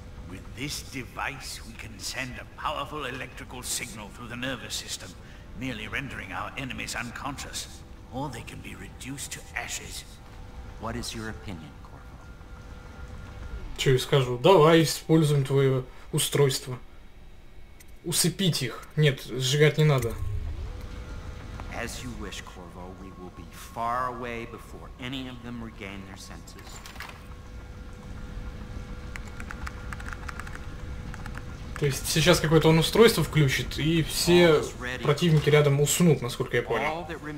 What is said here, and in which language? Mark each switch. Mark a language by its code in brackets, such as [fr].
[en] With this device, we can send a powerful electrical signal through the nervous system, merely rendering our enemies unconscious, or they can be reduced to ashes. What is your opinion, Corvo? [ru] Че я скажу? Давай, используем твое устройство. Усыпить их. Нет, сжигать не надо. [en] As you wish, Corvo, we will be far away before any of them regain their senses. [ru] То есть сейчас какое-то он устройство включит, и все противники рядом уснут, насколько я понял.